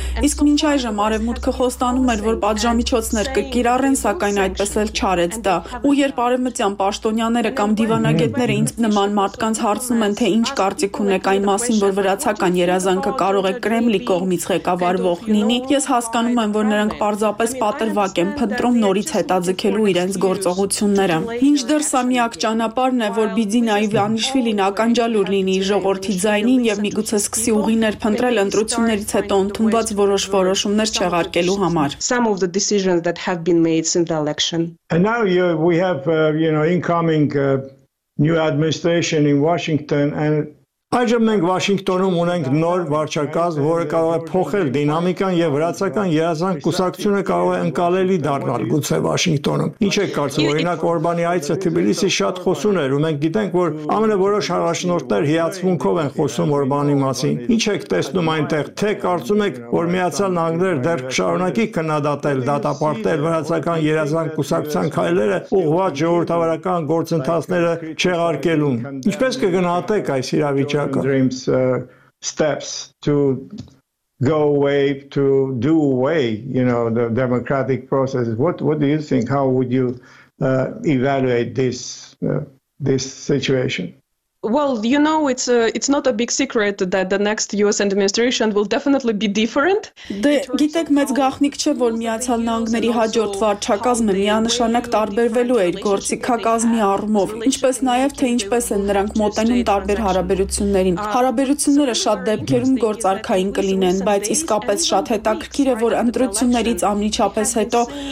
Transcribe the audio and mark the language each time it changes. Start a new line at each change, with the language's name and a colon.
Armenian: Իսկ մինչ այժմ արևմուտքը ստանում էր, որ պատժամիջոցներ կկիրառեն, սակայն այդպես էլ չարեց դա։ Ու երբ արևմտյան պաշտոնյաները կամ դիվանագետները ինձ նման մարդկանց հարցնում են, թե ինչ կարծիք ունեք այն մասին, որ վրացական երազանքը կարող է Կրեմլի կողմից ղեկավարվող լինի, ես հասկանում եմ, որ նրանք պարզապես պատրվակ են փնտրում նորից հետաձգելու իրենց գործողությունները։ Ինչդեռ սա միակ ճանապարհն է, որ Բիդինա Իվանիշվիլին ականջալուր լինի ժողովրդի ձայնին եւ միգուցե սկսի ուղիներ փնտրել ընտրություններից հետո ընդունված որոշ որոշումներ չեղարկել
English: some of the decisions that have been made since the election. And now we have incoming new administration in Washington and
Armenian: այժմ մենք Վաշինգտոնում ունենք նոր վարչակազմ, որը կարող է փոխել դինամիկան եւ վրացական երազանք կուսակցությունը կարող է ընկալելի դառնալ գուցե Վաշինգտոնում։ Ինչ է կարծում, օրինակ Օրբանի այցը Թբիլիսի շատ խոսուն էր, ու մենք գիտենք, որ ամենավորոշ հարաշնորտներ հիացմունքով են խոսում Օրբանի մասին։ Ինչ եք տեսնում այնտեղ, թե կարծում եք, որ Միացյալ Նահանգները դեռ կշարունակի քննադատել դատապարտել վրացական երազանք կուսակցության քայլերը ուղղված ժողովրդավարական գործընթացները չեղարկելու։ Ինչպես կգնահատեք այս իրավիճակը
English: Dreams steps to go away, to do away, the democratic processes. What do you think? How would you evaluate this situation? Well, you know, it's not a big secret that the next US administration will definitely be different.
Armenian: Դե գիտեք, մեծ գաղտնիք չէ, որ Միացյալ Նահանգների հաջորդ վարչակազմը միանշանակ տարբերվելու է իր գործիքակազմի առումով, ինչպես նաև թե ինչպես են նրանք մոտենում տարբեր հարաբերություններին։ Հարաբերությունները շատ դեպքերում գործարքային կլինեն, բայց իսկապես շատ հետաքրքիր է, որ ընտրություններից ամնիչապես հետո